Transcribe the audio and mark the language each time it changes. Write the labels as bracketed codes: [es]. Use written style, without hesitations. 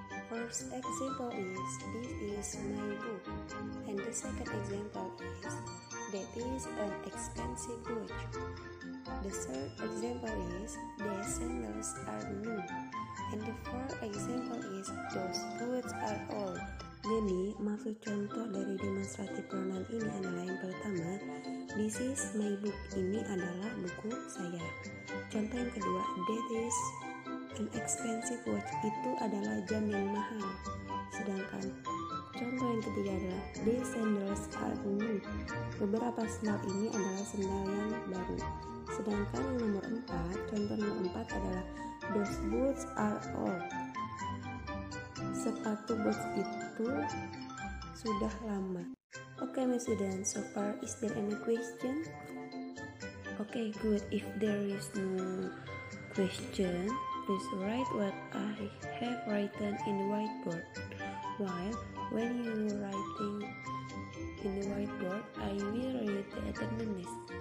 [en] First example is, this is my book. And the second example is, that is an expensive watch. The third example is, the sandals are new. And the fourth example is, those boots are old. [id] Jadi, maksud contoh dari demonstrative pronoun ini adalah yang pertama, [en] this is my book, [id] ini adalah buku saya. Contoh yang kedua, [en] that is an expensive watch, [id] itu adalah jam yang mahal. Sedangkan contoh yang ketiga adalah [en] the sandals are new, [id] beberapa sandal ini adalah sandal yang baru. Sedangkan yang nomor 4, contoh nomor 4 adalah [en] those boots are old, [id] sepatu boots itu sudah lama. [en] Okay, my students, so far is there any question? Okay, good. If there is no question, please write what I have written in the whiteboard. While when you writing in the whiteboard, I will read the attendance.